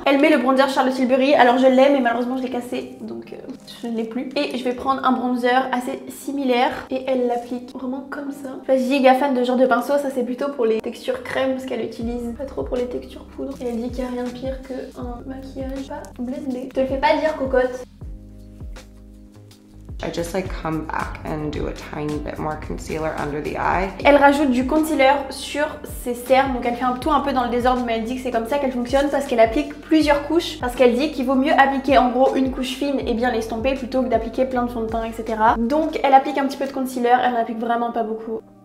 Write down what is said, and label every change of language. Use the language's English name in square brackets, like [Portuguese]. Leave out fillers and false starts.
[French] Elle met le bronzer Charlotte Tilbury. Alors, je l'ai, mais malheureusement, je l'ai cassé. Donc, je ne l'ai plus. Et je vais prendre un bronzer assez similaire. Et elle l'applique vraiment comme ça. Enfin, je suis giga fan de ce genre de pinceau. Ça, c'est plutôt pour les textures crème, parce qu'elle utilise pas trop pour les textures poudre. Et elle dit qu'il n'y a rien de pire qu'un maquillage pas blendé. Te le fais pas dire, cocotte. [English] I just like come back and do a tiny bit more concealer under the eye. [French] Elle rajoute du concealer sur ses cernes, donc elle fait tout un peu dans le désordre, mais elle dit que c'est comme ça qu'elle fonctionne parce qu'elle applique plusieurs couches, parce qu'elle dit qu'il vaut mieux appliquer en gros une couche fine et bien l'estomper plutôt que d'appliquer plein de fond de teint, etc. Donc elle applique un petit peu de concealer, elle n'applique vraiment pas beaucoup.